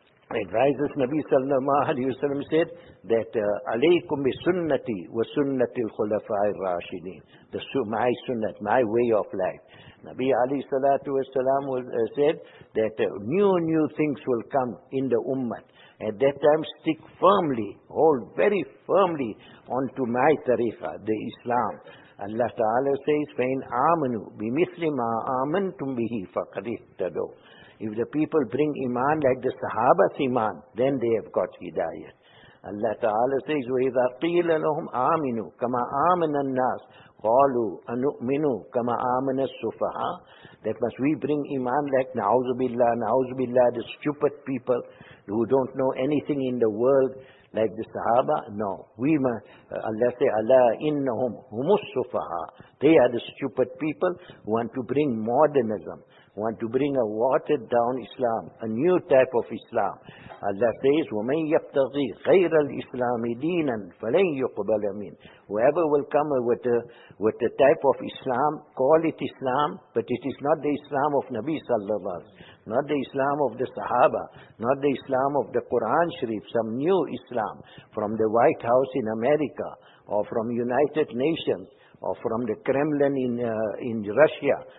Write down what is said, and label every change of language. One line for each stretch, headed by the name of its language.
Arabic: Advises Nabi sallallahu alayhi wa sallam
English: said that
Arabic: alaykum bi sunnati wa sunnati al-khulafai rashidin.
English: My sunnat, my way of life. Nabi alayhi salatu wa sallam said that new things will come in the ummah. At that time, stick firmly, hold very firmly onto my tariqah, the Islam. Allah Ta'ala says,
Arabic: فَإِنْ آمَنُوا بِمِثْلِ مَا آمَنْتُمْ بِهِ فَقَدِ اهْتَدَوْا.
English: If the people bring iman like the Sahaba's iman, then they have got hidayah. Allah Ta'ala says,
Arabic: وَإِذَا قِيلَ لَهُمْ آمِنُوا كَمَا آمَنَ النَّاسِ قَالُوا أَنُؤْمِنُوا كَمَا آمَنَ السُّفَهَا.
English: That must we bring iman like na'uzu billah, the stupid people who don't know anything in the world like the Sahaba? No.
Arabic: Allah say, Allah innahum humus sufaha.
English: They are the stupid people who want to bring modernism, who want to bring a watered down Islam, a new type of Islam. Allah says,
Arabic: وَمَنْ يَبْتَغِي غَيْرَ الْإِسْلَامِ دِينًا فَلَنْ يُقْبَلَ مِنْ.
English: Whoever will come with a type of Islam, call it Islam, but it is not the Islam of Nabi sallallahu alayhi wa sallam, not the Islam of the Sahaba, not the Islam of the Quran Sharif, some new Islam from the White House in America, or from United Nations, or from the Kremlin in Russia,